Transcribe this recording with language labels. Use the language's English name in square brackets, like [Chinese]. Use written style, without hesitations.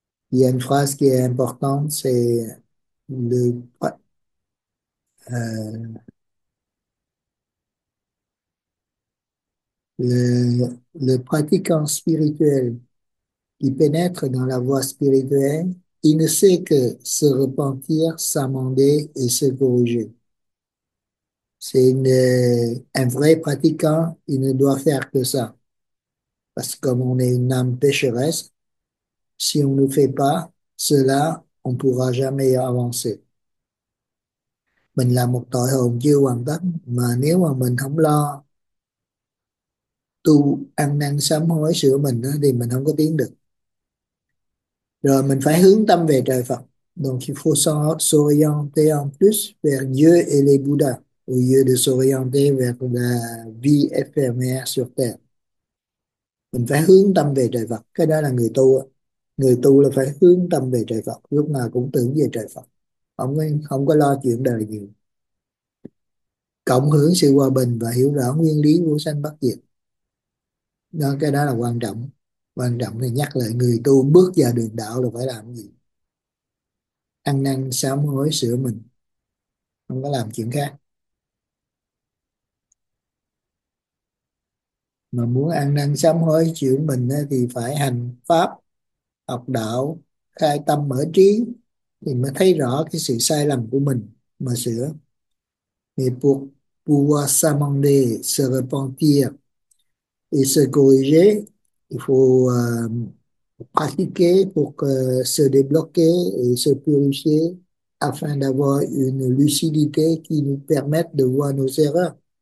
[French] Il y a une phrase qui est importante, c'est le pratiquant spirituel qui pénètre dans la voie spirituelle, il ne sait que se repentir, s'amender et se corriger. Un vrai pratiquant, il ne doit faire que ça. Parce que comme on est une âme pécheresse, si on ne fait pas cela, on ne pourra jamais avancer. [Vietnamese] Mình là một tội hồn chưa hoàn tất, mà nếu mà mình không lo tu ăn năn sám hối sửa mình đó, thì mình không có tiến được. Rồi mình phải hướng tâm về trời Phật. [French] Donc il faut s'orienter en plus vers Dieu et les Bouddhas, au lieu de s'orienter vers la vie éphémère sur Terre. [Vietnamese] Mình phải hướng tâm về trời Phật, cái đó là người tu. Người tu là phải hướng tâm về trời Phật, lúc nào cũng tưởng về trời Phật, không có lo chuyện đời nhiều. cộng hưởng sự hòa bình và hiểu rõ nguyên lý vô sanh bất diệt. Đó, cái đó là quan trọng. Quan trọng là nhắc lại người tu bước vào đường đạo là phải làm gì? Ăn năn sám hối sửa mình, không có làm chuyện khác. Mà muốn ăn năn sám hối sửa mình thì phải hành pháp, học đạo, khai tâm mở trí thì mới thấy rõ cái sự sai lầm của mình mà sửa. Nipuk puwa samande serapantia isagoire ifo [French] pratiquer pour se débloquer et se purifier afin d'avoir une lucidité qui nous permette de voir nos erreurs.